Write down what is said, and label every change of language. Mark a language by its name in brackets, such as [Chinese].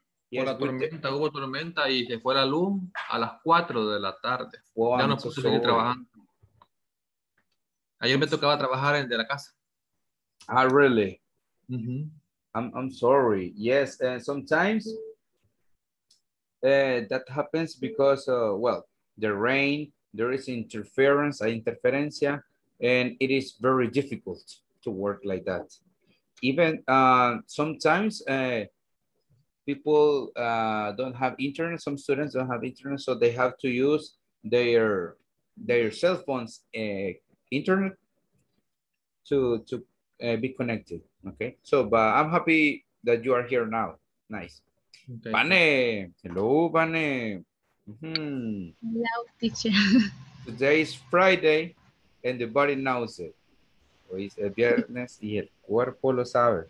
[Spanish] Yes, la tormenta, hubo tormenta y se fue la luz a las 4 de la tarde. Wow, ya no pude seguir trabajando. Ayer me tocaba trabajar en de la casa. [English] Ah, really? I'm sorry. Yes, sometimes that happens because, well, the rain, there is interference, interferencia, and it is very difficult to work like that. Even sometimes, people don't have internet, some students don't have internet, so they have to use their cell phones internet to be connected, okay? So, but I'm happy that you are here now. Nice. Vane, hello, Vane. Hello, teacher. Today is Friday, and the body knows it. [Spanish] Hoy es viernes, y el cuerpo lo sabe.